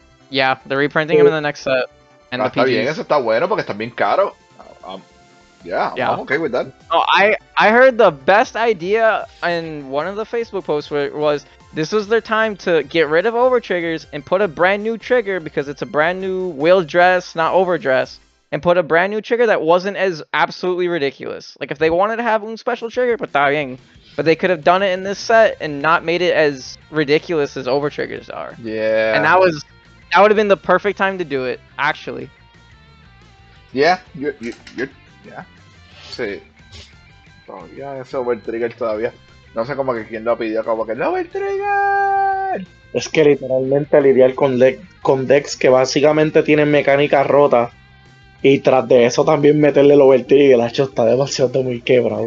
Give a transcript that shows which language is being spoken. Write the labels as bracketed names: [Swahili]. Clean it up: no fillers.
[English] Yeah, they're reprinting him in the next set. [Spanish] No, está bien, eso está bueno porque está bien caro. [English] I'm okay with that. No, I heard the best idea in one of the Facebook posts was this was their time to get rid of over triggers and put a brand new trigger, because it's a brand new wheel dress, not overdress, and put a brand new trigger that wasn't as absolutely ridiculous. Like, if they wanted to have un special trigger, but they could have done it in this set and not made it as ridiculous as over triggers are. Yeah. And that would have been the perfect time to do it, actually. Yeah, you're... Yeah. Sí. [Spanish] Todavía ese Over Trigger todavía. No sé cómo que quién lo pidió, como que ¡no, Over Trigger! Es que literalmente lidiar con decks que básicamente tienen mecánicas rotas y tras de eso también meterle el Over Trigger, la hecho está demasiado muy quebrado.